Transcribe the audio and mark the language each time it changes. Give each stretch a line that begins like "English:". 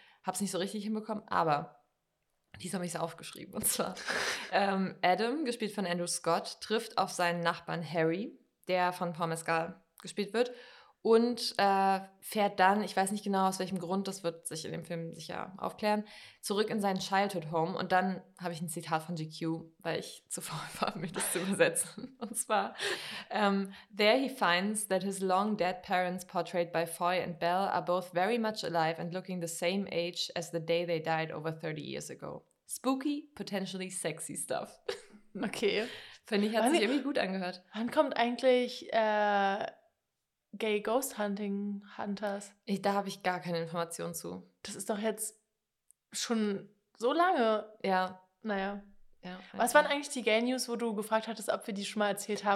German: Habe es nicht so richtig hinbekommen, aber... Dies habe ich so aufgeschrieben, und zwar Adam, gespielt von Andrew Scott, trifft auf seinen Nachbarn Harry, der von Paul Mescal gespielt wird, und fährt dann, ich weiß nicht genau aus welchem Grund, das wird sich in dem Film sicher aufklären, zurück in sein Childhood Home. Und dann habe ich ein Zitat von GQ, weil ich zuvor war, mir das zu übersetzen.
English: Und zwar, there he finds that his long dead parents portrayed by Foy and Belle are both very much alive and looking the same age as the day they died over 30 years ago. Spooky, potentially sexy stuff.
German: Okay. Finde ich, hat sich irgendwie gut angehört. Wann kommt eigentlich Gay Ghost Hunting Hunters? Da habe ich gar keine Informationen zu. Das ist doch jetzt schon so lange. Ja. Naja. Ja, was waren eigentlich die Gay News, wo du gefragt hattest, ob wir die schon mal erzählt haben?